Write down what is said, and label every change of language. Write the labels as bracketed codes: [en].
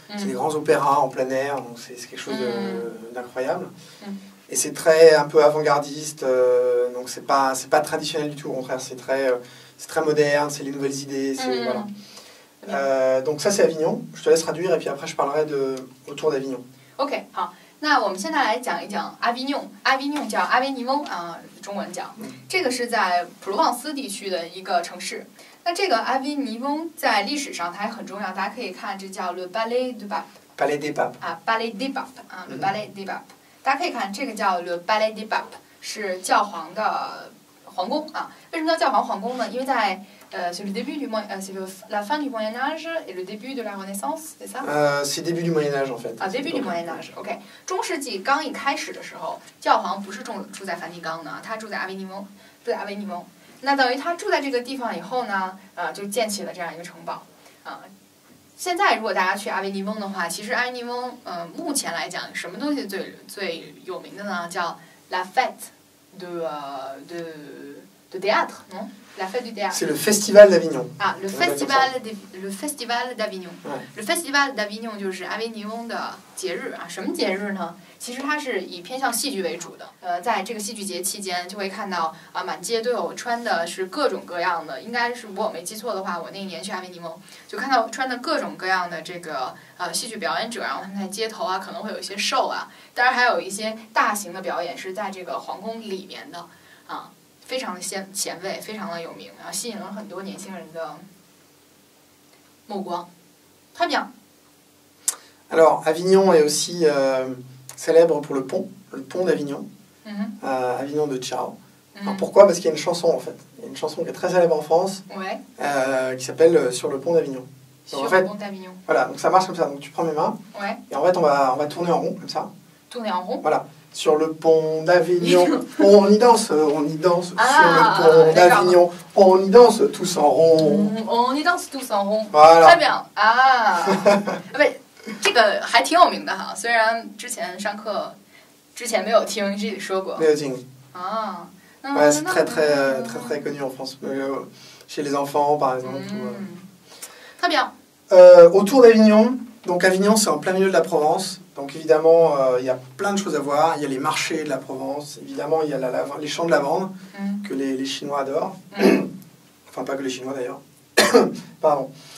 [fr] C'est des grands opéras en plein air, donc c'est quelque chose d'incroyable. Et c'est très un peu avant-gardiste, donc c'est pas traditionnel du tout, au contraire, c'est très... C'est très moderne, c'est les nouvelles idées, c'est... Voilà. Donc ça, c'est Avignon. Je te laisse traduire et puis après, je parlerai de autour d'Avignon. [zh] OK, 好，那我们现在来讲一讲 Avignon. Avignon 叫阿维尼翁，中文讲。这个是在普罗旺斯地区的一个城市。那这个阿维尼翁在历史上它也很重要，大家可以看，这叫 Le Palais des Papes. [fr] Palais des Papes. Palais des Papes. Le Palais des Papes. [zh] 大家可以看，这个叫 Le Palais des Papes， 是教皇的皇宫啊。为什么叫教皇皇宫呢？因为在 [fr] c'est le début du Moyen c'est le la fin du Moyen Âge et le début de la Renaissance, c'est ça? C'est début du Moyen Âge en fait. Début du Moyen Âge, OK. [zh] 中世纪刚一开始的时候，教皇不是住在梵蒂冈呢，他住在阿维尼翁，对阿维尼翁。那等于他住在这个地方以后呢，就建起了这样一个城堡。现在如果大家去阿维尼翁的话，其实阿维尼翁，目前来讲什么东西最有名的呢？叫 [fr] La Fête de théâtre, non? La Fête du théâtre. C'est le Festival d'Avignon. Ah, le Festival le Festival d'Avignon. Ouais. [zh] Le Festival d'Avignon 就是阿维尼翁的节日啊，什么节日呢？其实它是以偏向戏剧为主的。在这个戏剧节期间，就会看到啊，满街都有穿的是各种各样的。应该是我没记错的话，我那一年去阿维尼翁，就看到穿的各种各样的这个戏剧表演者，然后他们在街头啊，可能会有一些show啊，当然还有一些大型的表演是在这个皇宫里面的啊，非常的前卫，非常的有名，然后吸引了很多年轻人的目光。 [fr] Très bien. Alors, Avignon est aussi célèbre pour le pont d'Avignon, Avignon de Ciao. Mm-hmm. Alors pourquoi ? Parce qu'il y a une chanson en fait. Il y a une chanson qui est très célèbre en France, qui s'appelle Sur le pont d'Avignon. Donc, sur en fait, le pont d'Avignon. Voilà, donc ça marche comme ça. Donc tu prends mes mains, et en fait on va tourner en rond comme ça. Tourner en rond ? Voilà. Sur le pont d'Avignon, on y danse, sur le pont d'Avignon, on y danse tous en rond. On y danse tous en rond. Voilà. Très bien. Ah. [zh] 这个还挺有名的哈，虽然之前上课之前没有听自己说过。没有听。啊， [fr] ouais, c'est très très très très connu en France, chez les enfants par exemple. Très bien. Autour d'Avignon, donc Avignon c'est en plein milieu de la Provence, donc évidemment il y a plein de choses à voir, il y a les marchés de la Provence, évidemment il y a les champs de lavande que les Chinois adorent, enfin pas que les Chinois d'ailleurs, pardon.